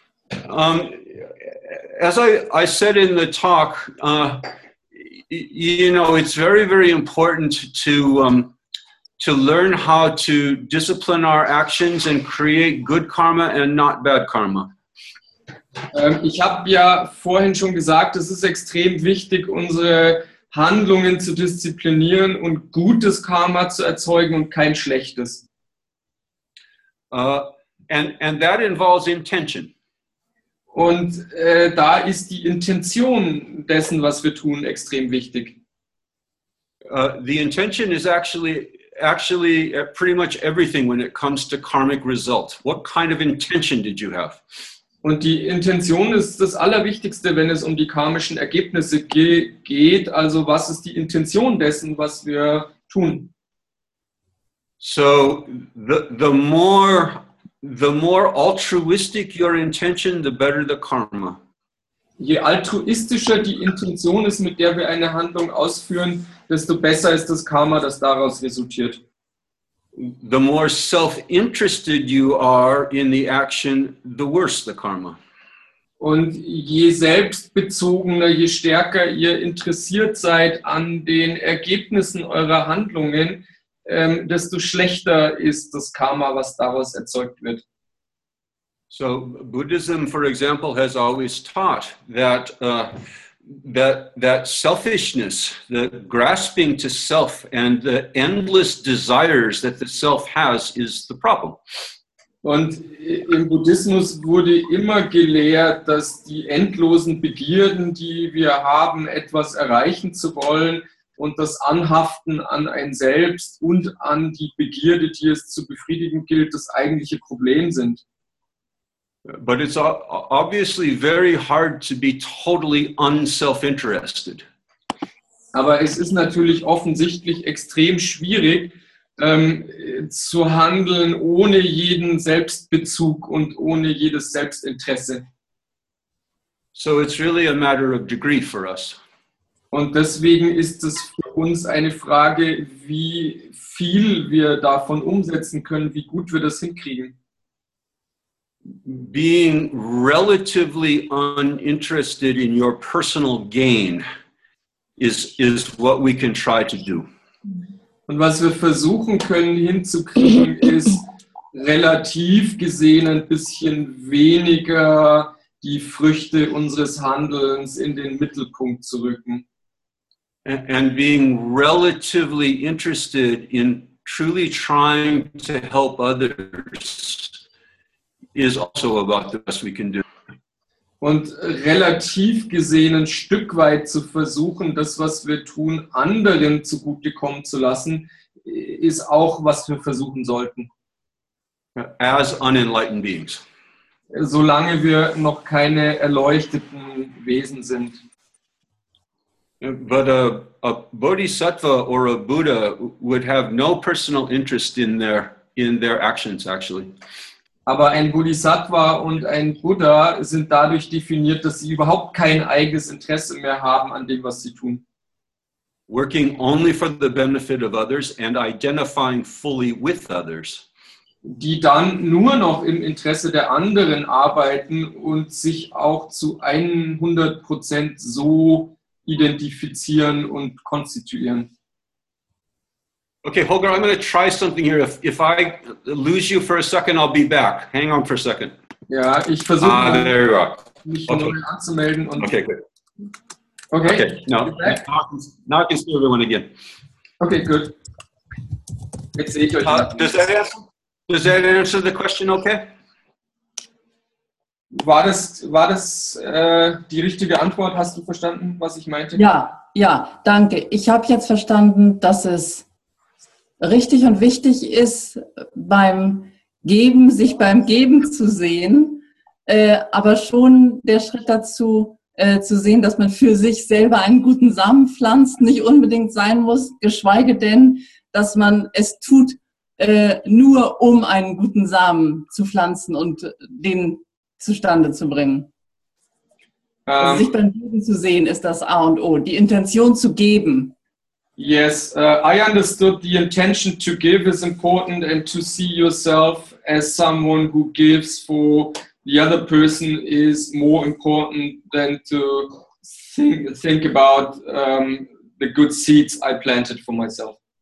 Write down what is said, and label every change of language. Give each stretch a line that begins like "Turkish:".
English: As I said in the talk, you know, it's very, very important to learn how to discipline our actions and create good karma and not bad karma.
German: Ich habe ja vorhin schon gesagt, es ist extrem wichtig, unsere Handlungen zu disziplinieren und gutes Karma zu erzeugen und kein schlechtes.
English: And that involves intention.
German: Und da ist die Intention dessen, was wir tun, extrem wichtig.
English: The intention is actually pretty much everything when it comes to karmic result. What kind of intention did you have?
German: Und die Intention ist das Allerwichtigste, wenn es um die karmischen Ergebnisse geht. Also was ist die Intention dessen, was wir tun?
English: So the more altruistic your intention, the better the karma.
German: Je altruistischer die Intention ist, mit der wir eine Handlung ausführen, desto besser ist das Karma, das daraus resultiert.
English: The more self-interested you are in the action, the worse the karma.
German: Und je selbstbezogener, je stärker ihr interessiert seid an den Ergebnissen eurer Handlungen, desto schlechter ist das Karma, was daraus erzeugt wird.
English: So Buddhism, for example, has always taught that that selfishness, the grasping to self and the endless desires that the self has is the problem.
German: Und im Buddhismus wurde immer gelehrt, dass die endlosen Begierden, die wir haben, etwas erreichen zu wollen, und das Anhaften an ein Selbst und an die Begierde, die es zu befriedigen gilt, das eigentliche Problem sind.
English: But it's obviously very hard to be totally unself-interested.
German: Aber es ist natürlich offensichtlich extrem schwierig, zu handeln ohne jeden Selbstbezug und ohne jedes Selbstinteresse.
English: So it's really a matter of degree for us.
German: Und deswegen ist es für uns eine Frage, wie viel wir davon umsetzen können, wie gut wir das hinkriegen.
English: Being relatively uninterested in your personal gain is what we can try to do.
German: Und was wir versuchen können hinzukriegen, ist relativ gesehen ein bisschen weniger die Früchte unseres Handelns in den Mittelpunkt zu rücken.
English: And being relatively interested in truly trying to help others is also about the best we can do.
German: Und relativ gesehen ein Stück weit zu versuchen, das, was wir tun, anderen zugutekommen zu lassen, ist auch, was wir versuchen sollten.
English: As unenlightened beings.
German: Solange wir noch keine erleuchteten Wesen sind.
English: But a Bodhisattva or a Buddha would have no personal interest in their actions, actually.
German: Aber ein Bodhisattva und ein Buddha sind dadurch definiert, dass sie überhaupt kein eigenes Interesse mehr haben an dem, was sie tun.
English: Working only for the benefit of others and identifying fully with others.
German: Die dann nur noch im Interesse der anderen arbeiten und sich auch zu 100% so identifizieren und konstituieren.
English: Okay, Holger, I'm going to try something here. If I lose you for a second, I'll be back. Hang on for a second.
German: Ja, ich versuche mich neu anzumelden. Und
English: okay, good. Okay. Now I can see everyone again. Okay, good.
German: Jetzt sehe ich euch. Does that answer the question okay? War das die richtige Antwort? Hast du verstanden, was ich meinte? Ja, danke. Ich habe jetzt verstanden, dass es richtig und wichtig ist, beim Geben, sich beim Geben zu sehen, aber schon der Schritt dazu zu sehen, dass man für sich selber einen guten Samen pflanzt, nicht unbedingt sein muss, geschweige denn, dass man es tut, nur um einen guten Samen zu pflanzen und den zustande zu bringen. Also sich beim Geben zu sehen, ist das A und O, die Intention zu geben.
English: Yes, I understood the intention to give is important and to see yourself as someone who gives for the other person is more important than to think about the good seeds I planted for myself.